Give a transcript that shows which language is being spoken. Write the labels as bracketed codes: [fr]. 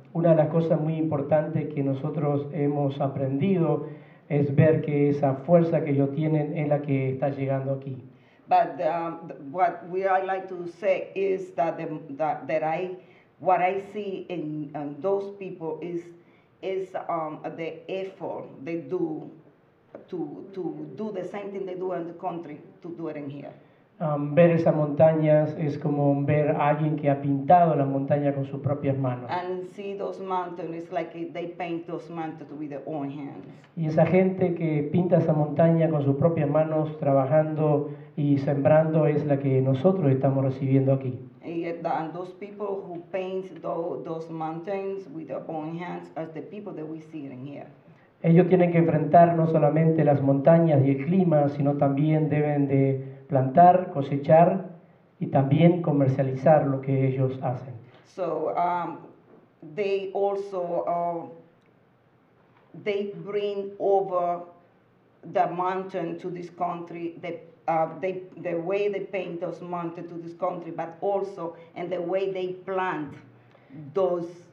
[es] Una de las cosas muy importantes que nosotros hemos aprendido es ver que esa fuerza que ellos tienen es la que está llegando aquí. [en] But what we I like to say is that the, that I what I see in those people is the effort they do to do the same thing they do in the country to do it in here. [es] Ver esas montañas es como ver a alguien que ha pintado la montaña con sus propias manos. [en] And see those mountains like they paint those mountains with their own hands. [es] Y esa gente que pinta esa montaña con sus propias manos trabajando y sembrando es la que nosotros estamos recibiendo aquí. [en] And those people who paint those mountains with their own hands are the people that we see in here. [es] Ellos tienen que enfrentar no solamente las montañas y el clima, sino también deben de plantar, cosechar y también comercializar lo que ellos hacen. [en] So they also they bring over the mountain to this country. The way they paint those mountain to this country, but also in the way they plant those.